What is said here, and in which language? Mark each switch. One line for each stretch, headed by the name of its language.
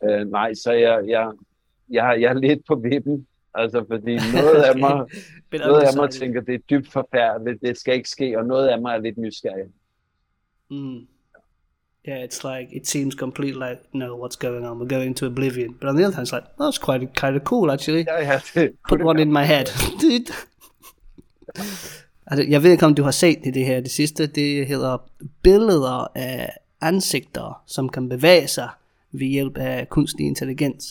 Danish: Nej, så jeg er lidt på vippen, altså, fordi noget af mig, noget af mig tænker, det er dybt forfærdeligt, det skal ikke ske, og noget af mig er lidt nysgerrig.
English: Yeah, it's like, it seems completely like, no, what's going on? We're going into oblivion. But on the other hand, it's like, that's kind of cool, actually. Yeah. Put one in my head. Dude.
Danish: Jeg ved ikke, om du har set det her. Det sidste, det hedder billeder af ansigter, som kan bevæge sig ved hjælp af kunstig intelligens.